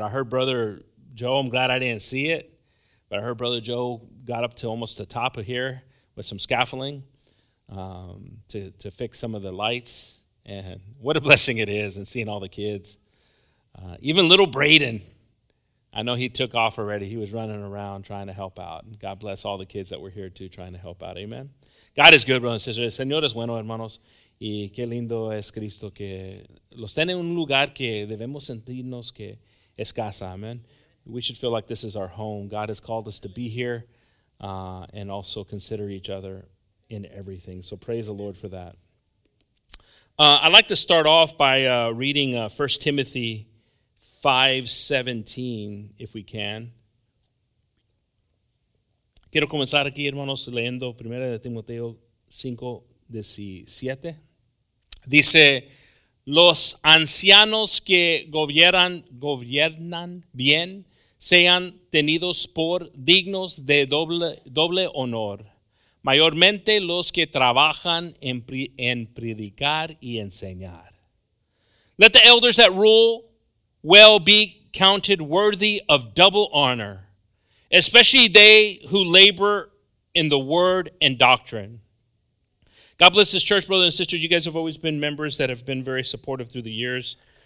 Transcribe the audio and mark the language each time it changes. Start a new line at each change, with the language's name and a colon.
English: I heard Brother Joe, I'm glad I didn't see it, but I heard Brother Joe got up to almost the top of here with some scaffolding to fix some of the lights. And what a blessing it is, and seeing all the kids. Even little Braden, I know he took off already. He was running around trying to help out. God bless all the kids that were here too, trying to help out. Amen. God is good, brothers and sisters.
Spanish: Señor es bueno, hermanos. Y qué lindo es Cristo que los tiene en un lugar que debemos sentirnos que es casa.
English: Amen. We should feel like this is our home. God has called us to be here and also consider each other in everything. So praise the Lord for that. I'd like to start off by reading 1 Timothy 5:17, if we can.
Spanish: Quiero comenzar aquí, hermanos, leyendo 1 Timoteo 5, 17. Dice, los ancianos que gobiernan bien sean tenidos por dignos de doble honor, mayormente los que trabajan en predicar y enseñar.
English: Let the elders that rule well be counted worthy of double honor, especially they who labor in the word and doctrine. God bless this church, brothers and sisters. You guys have always been members that have been very supportive through the years.